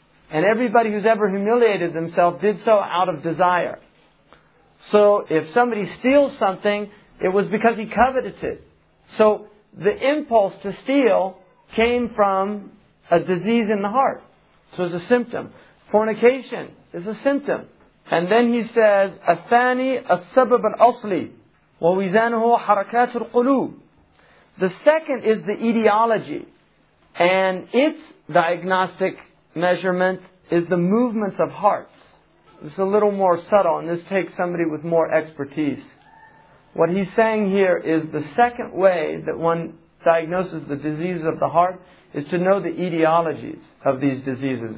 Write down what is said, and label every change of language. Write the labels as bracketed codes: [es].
[en] And everybody who's ever humiliated themselves did so out of desire. So if somebody steals something, it was because he coveted it. So the impulse to steal came from a disease in the heart. So it's a symptom. Fornication is a symptom. And then he says, [ar] الثاني السبب الأصلي ووزانه حركات القلوب. [en] The second is the etiology. And its diagnostic measurement is the movements of hearts. It's a little more subtle, and this takes somebody with more expertise. What he's saying here is the second way that one diagnoses the disease of the heart is to know the etiologies of these diseases.